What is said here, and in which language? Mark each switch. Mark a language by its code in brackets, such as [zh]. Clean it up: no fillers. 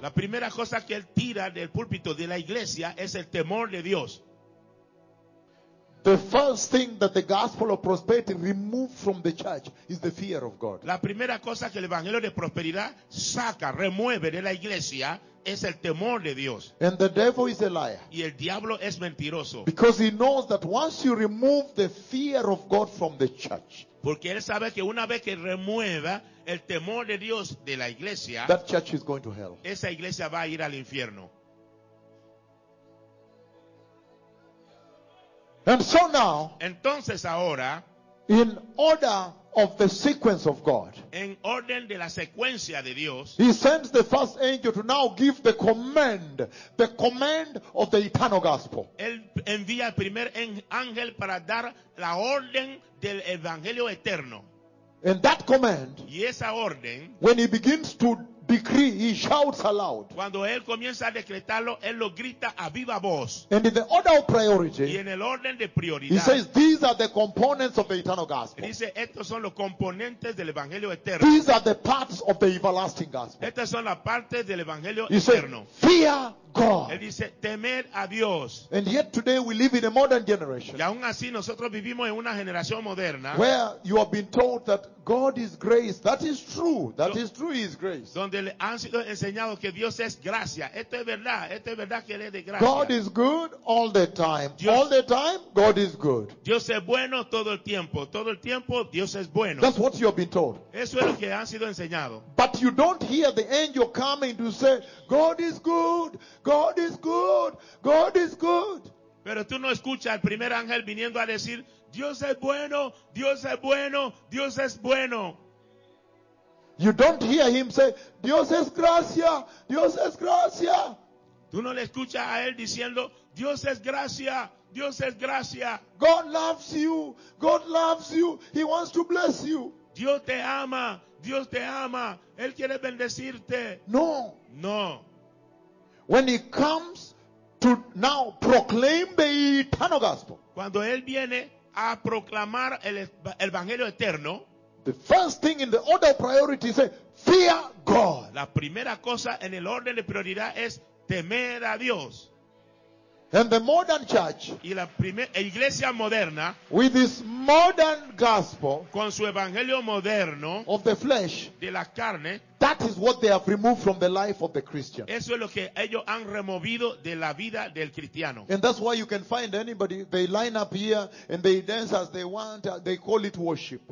[es] La primera cosa que él tira del púlpito de la iglesia es el temor de Dios. [en] The first thing that the gospel of prosperity removed from the church is the fear of God. [es] La primera cosa que el evangelio de prosperidad saca, remueve de la iglesia, es el temor de Dios. [en] And the devil is a liar. [es] Y el diablo es mentiroso. [en] Because he knows that once you remove the fear of God from the church, [es] porque él sabe que una vez que remueva el temor de Dios de la iglesia, [en] that church is going to hell. [es] Esa iglesia va a ir al infierno. [en] And so now, [es] entonces ahora, [en] in order of the sequence of God, [es] en orden de la secuencia de Dios, [en] he sends the first angel to now give the command of the eternal gospel. [es] Él envía al primer ángel para dar la orden del evangelio eterno. [en] And that command, [es] y esa orden, [en] when he begins to decree, he shouts aloud. [es] Cuando él comienza a decretarlo, él lo grita a viva voz. [en] And in the order of priority, [es] y en el orden de prioridad, [en] he says, these are the components of the eternal gospel. [es] Dice, estos son los componentes del evangelio eterno. [en] These are the parts of the everlasting gospel. [es] Estas son las partes del evangelio eterno. [en] Says, fear God. [es] Él dice, temer a Dios. [en] And yet today we live in a modern generation. [es] Y aún así nosotros vivimos en una generación moderna. [en] Where you have been told that God is grace. That is true. That is true, His grace. [es] Donde le han sido enseñados que Dios es gracia. Esto es verdad. Esto es verdad que Él es de gracia. [en] God is good all the time. Dios, all the time, God is good. [es] Dios es bueno todo el tiempo. Todo el tiempo, Dios es bueno. [en] That's what you have been told. [es] Eso es lo que han sido enseñados. [en] But you don't hear the angel coming to say, God is good. God is good. God is good. [es] Pero tú no escuchas al primer ángel viniendo a decir, Dios es bueno, Dios es bueno, Dios es bueno. [en] You don't hear him say, [es] Dios es gracia, Dios es gracia. Tú no le escuchas a él diciendo, Dios es gracia, Dios es gracia. [en] God loves you, God loves you, He wants to bless you. [es] Dios te ama, Él quiere bendecirte. [en] No. [es] No. [en] When he comes to now proclaim the eternal gospel, [es] cuando él viene a proclamar el evangelio eterno, [en] the first thing in the order of priority is fear God. [es] La primera cosa en el orden de prioridad es temer a Dios. [en] And the modern church, [es] y la iglesia moderna, [en] with this modern gospel, [es] con su evangelio moderno, [en] of the flesh, [es] de la carne, [en] that is what they have removed from the life of the Christian. [es] Eso es lo que ellos han removido de la vida del cristiano. [en] And that's why you can find anybody, they line up here and they dance as they want, they call it worship.